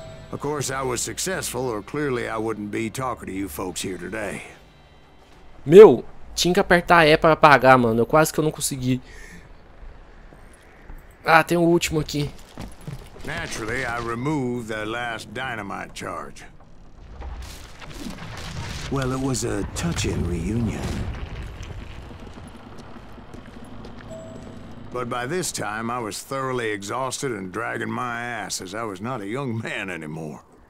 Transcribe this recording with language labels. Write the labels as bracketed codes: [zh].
[en] Of course I was successful, or clearly I wouldn't be talking to you folks here today. [pt] Meu, tinha que apertar E pra apagar, mano. Eu quase que eu não consegui. Ah, tem o último aqui. [en] Naturally, I removed the last dynamite charge. Well, it was a touching reunion. But by this time, I was thoroughly exhausted and dragging my ass, as I was not a young man anymore.